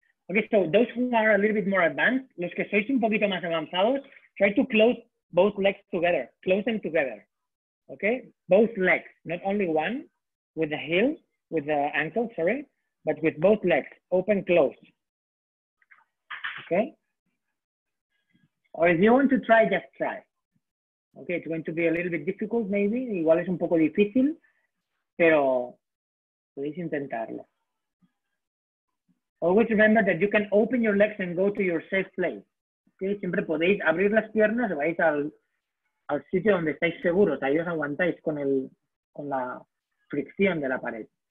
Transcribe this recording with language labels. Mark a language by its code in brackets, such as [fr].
[en] Okay, so those who are a little bit more advanced, [es] los que sois un poquito más avanzados, [en] try to close both legs together. Close them together. Okay? Both legs, not only one, with the heel, with the ankle, sorry, but with both legs, open, close. Okay? Or if you want to try, just try. Okay, it's going to be a little bit difficult, maybe. [es] Igual es un poco difícil, pero podéis intentarlo. [en] Always remember that you can open your legs and go to your safe place. Okay? [es] Siempre podéis abrir las piernas, vais al sitio donde estáis seguros. Ahí os aguantáis con la fricción de la pared.